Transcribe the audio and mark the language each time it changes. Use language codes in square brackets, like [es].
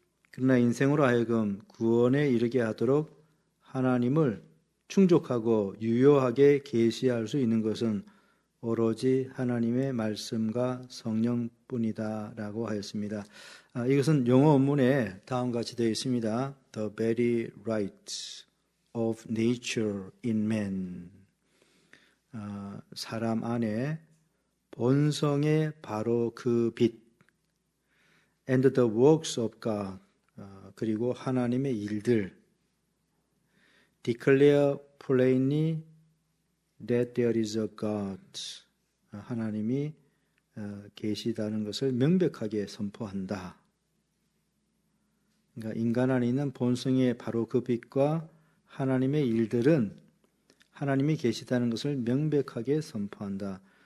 [ko] 그러나 인생으로 하여금 구원에 이르게 하도록 하나님을 충족하고 유효하게 계시할 수 있는 것은 오로지 하나님의 말씀과 성령뿐이다라고 하였습니다. 이것은 영어 원문에 다음과 같이 되어 있습니다. [en] The very rights of nature in man. [ko] 사람 안에 본성의 바로 그 빛. [en] And the works of God. [ko] 그리고 하나님의 일들. [en] Declare plainly that there is a God. [ko] 하나님이 계시다는 것을 명백하게 선포한다. 그러니까 인간 안에 있는 본성의 바로 그 빛과 하나님의 일들은 하나님이 계시다는 것을 명백하게 선포한다.